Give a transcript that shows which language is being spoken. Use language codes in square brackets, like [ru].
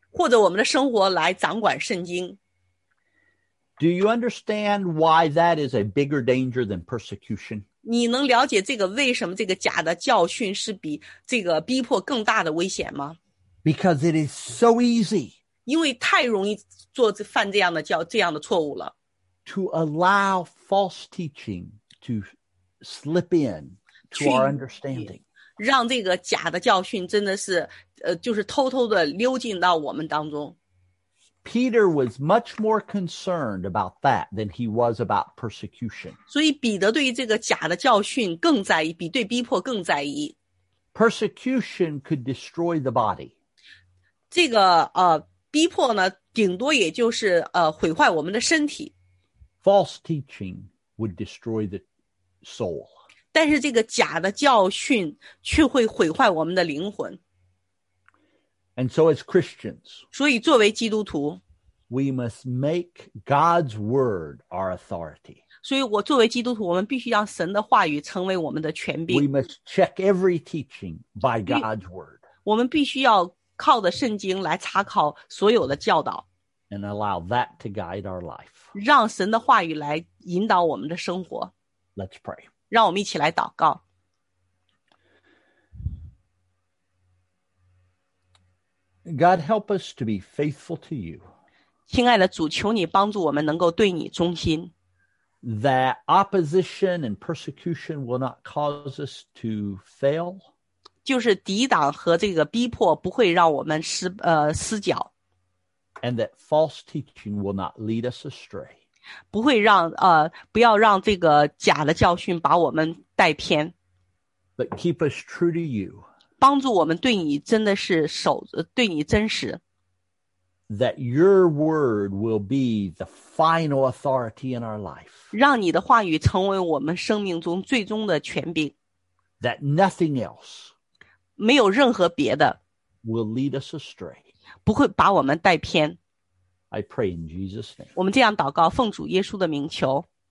[zh] 或者我们的生活来掌管圣经。 [en] Do you understand why that is a bigger danger than persecution? [zh] 你能了解这个为什么这个假的教训是比这个逼迫更大的危险吗？ [en] Because it is so easy. [zh] 因为太容易做犯这样的教这样的错误了。 [en] To allow false teaching to slip in to our understanding. [zh] 让这个假的教训真的是就是偷偷的溜进到我们当中。 [en] Peter was much more concerned about that than he was about persecution. [zh] 所以彼得对于这个假的教训更在意，比对逼迫更在意。 [en] Persecution could destroy the body. [zh] 这个逼迫呢，顶多也就是毁坏我们的身体。 [en] False teaching would destroy the soul. [zh] 但是这个假的教训却会毁坏我们的灵魂。 [en] And so as Christians, [zh] 所以作为基督徒, [en] we must make God's word our authority. [zh] 所以我作为基督徒, 我们必须让神的话语成为我们的权柄。 [en] We must check every teaching by God's word. [zh] 我们必须要靠着圣经来查考所有的教导。 [en] And allow that to guide our life. [zh] 让神的话语来引导我们的生活。 [en] Let's pray. [zh] 让我们一起来祷告。 [en] God, help us to be faithful to you. [zh] 亲爱的主，求你帮助我们能够对你忠心。 [en] That opposition and persecution will not cause us to fail. [zh] 就是抵挡和这个逼迫不会让我们失脚。 [en] And that false teaching will not lead us astray. [zh] 不会让不要让这个假的教训把我们带偏。 [en] But keep us true to you. [zh] 帮助我们对你真的是守，对你真实。 [en] That your word will be the final authority in our life. [zh] 让你的话语成为我们生命中最终的权柄。 [en] That nothing else. [zh] 没有任何别的。 [en] Will lead us astray. [zh] 不会把我们带偏。 [en] I pray in Jesus' name. [zh] 我们这样祷告，奉主耶稣的名求。